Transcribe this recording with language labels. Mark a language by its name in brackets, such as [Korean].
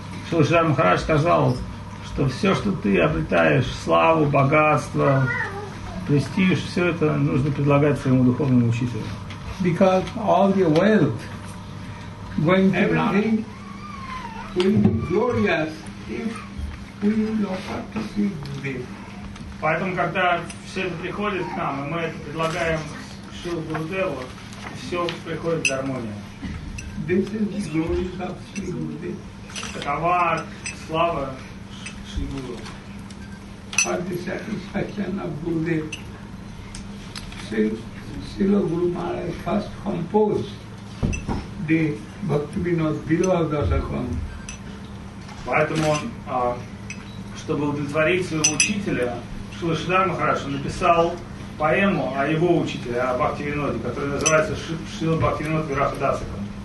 [Russian] So Shri Maharaj сказал, то все, что ты обретаешь, славу, богатство, престиж, все это нужно предлагать своему духовному учителю. [English] Because all your wealth going to bring will be glorious if we offer to Sri Gurudeva. [Russian] Поэтому, когда все это приходит к нам, и мы это предлагаем Шри Гурудеву, все приходит в гармонию. [English] This is the glory of Sri Gurudeva. [Russian] Такова слава. [English] For the satisfaction of Gurudev, Srila Guru Maharaj first composed the Bhaktivinoda Bilavadasakam. [Russian] Поэтому он, чтобы удовлетворить своего учителя, Шрила Шридхар Махарадж написал поэму о его учителе, о Бхактивиноде, которая называется Шрила Бхактивинода Бирахадасакам.